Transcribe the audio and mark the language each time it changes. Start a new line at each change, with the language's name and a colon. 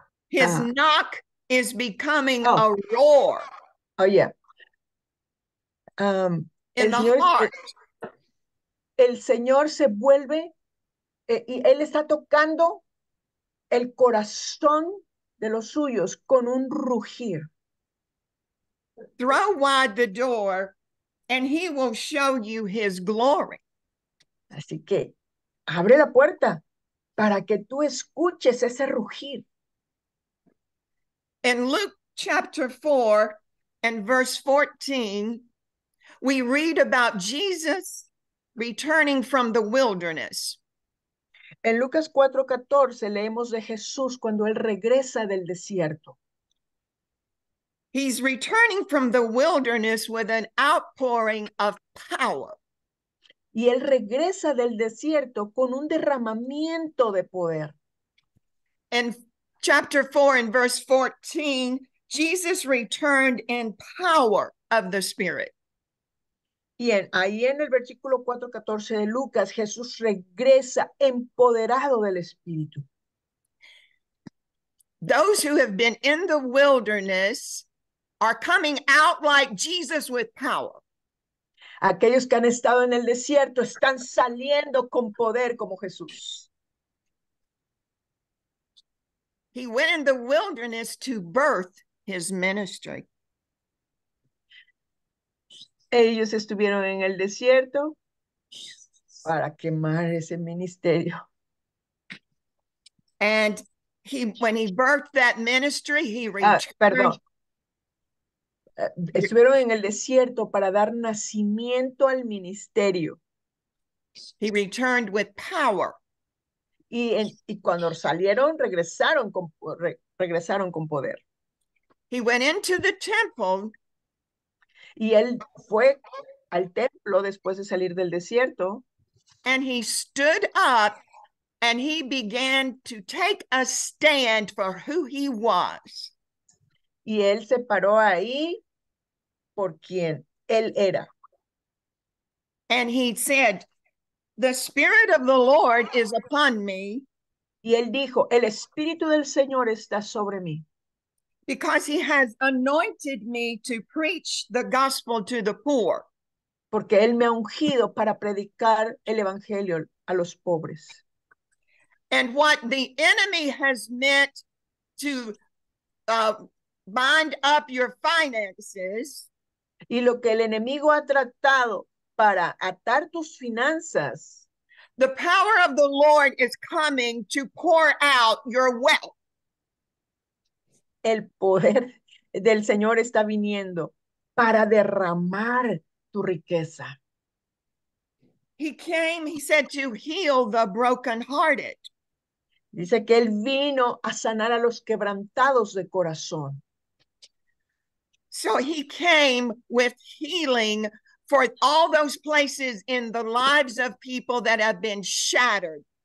English: His knock is becoming a roar. Oh, yeah. In the Señor, heart.
Spanish: El Señor se vuelve y él está tocando el corazón de los suyos con un rugir.
English: Throw wide the door and he will show you his glory.
Spanish: Así que abre la puerta para que tú escuches ese rugir.
English: In Luke chapter 4 and verse 14, we read about Jesus returning from the wilderness.
Spanish: En Lucas 4:14 leemos de Jesús cuando él regresa del desierto.
English: He's returning from the wilderness with an outpouring of power.
Spanish: Y él regresa del desierto con un derramamiento de poder.
English: In chapter 4 and verse 14, Jesus returned in power of the Spirit.
Spanish: Y ahí en el versículo 4:14 de Lucas, Jesús regresa empoderado del Espíritu.
English: Those who have been in the wilderness are coming out like Jesus with power.
Spanish: Aquellos que han estado en el desierto están saliendo con poder como Jesús.
English: He went in the wilderness to birth his ministry.
Spanish: Ellos estuvieron en el desierto para quemar ese ministerio.
English: And he, when he birthed that ministry, he returned.
Spanish: Perdón. Estuvieron en el desierto para dar nacimiento al ministerio.
English: He returned with power.
Spanish: Y cuando salieron, regresaron con poder.
English: He went into the temple.
Spanish: Y él fue al templo después de salir del desierto.
English: And he stood up and he began to take a stand for who he was.
Spanish: Y él se paró ahí por quien él era.
English: And he said, the Spirit of the Lord is upon me.
Spanish: Y él dijo, el Espíritu del Señor está sobre mí.
English: Because he has anointed me to preach the gospel to the poor.
Spanish: Porque él me ha ungido para predicar el evangelio a los pobres.
English: And what the enemy has meant to bind up your finances.
Spanish: Y lo que el enemigo ha tratado para atar tus finanzas.
English: The power of the Lord is coming to pour out your wealth.
Spanish: El poder del Señor está viniendo para derramar tu riqueza.
English: He came, he said, to heal the brokenhearted.
Spanish: Dice que él vino a sanar a los quebrantados de corazón.
English: So he came with healing for all those places in the lives of people that have been shattered.